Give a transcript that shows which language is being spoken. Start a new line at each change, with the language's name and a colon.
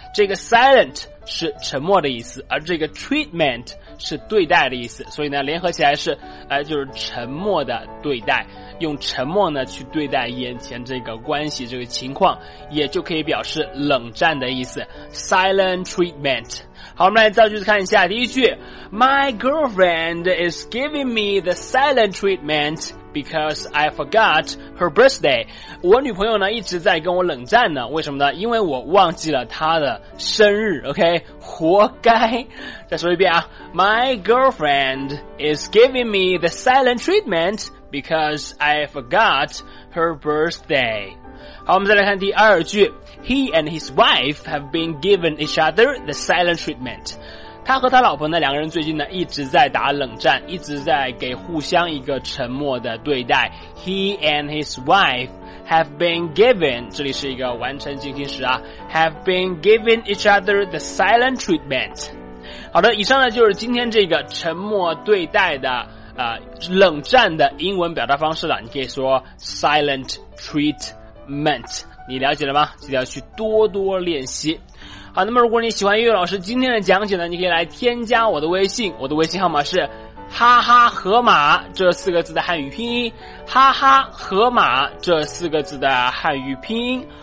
Chinese: 这个 silent 是沉默的意思，而这个 treatment 是对待的意思，所以呢联合起来是就是沉默的对待，用沉默呢去对待眼前这个关系这个情况，也就可以表示冷战的意思， silent treatment。好，我们来造句子看一下。第一句，
English: My girlfriend is giving me the silent treatment because I forgot her birthday.
Chinese: 我女朋友呢一直在跟我冷战呢，为什么呢？因为我忘记了她的生日。 OK， 活该。再说一遍啊，
English: My girlfriend is giving me the silent treatment because I forgot her birthday.
Chinese: 好，我们再来看第二句。
English: He and his wife have been given each other the silent treatment.
Chinese: 他和他老婆呢两个人最近呢一直在打冷战，一直在给互相一个沉默的对待。
English: He and his wife have been given,
Chinese: 这里是一个完成进行时啊，
English: have been given each other the silent treatment.
Chinese: 好的，以上呢就是今天这个沉默对待的冷战的英文表达方式了。你可以说 silent treatment. Meant， 你了解了吗？记得要去多多练习。好，那么如果你喜欢悠悠老师今天的讲解呢，你可以来添加我的微信，我的微信号码是哈哈河马这四个字的汉语拼音，哈哈河马这四个字的汉语拼音。